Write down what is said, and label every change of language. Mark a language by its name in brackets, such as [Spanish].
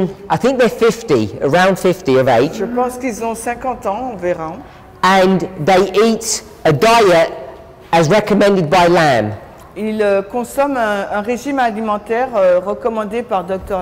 [English] I think they're 50, around 50 of age. [French] Je pense qu'ils ont 50 ans, on verra. [English] And they eat a diet as recommended by Lamb. [French] Ils consomment un régime alimentaire recommandé par Dr.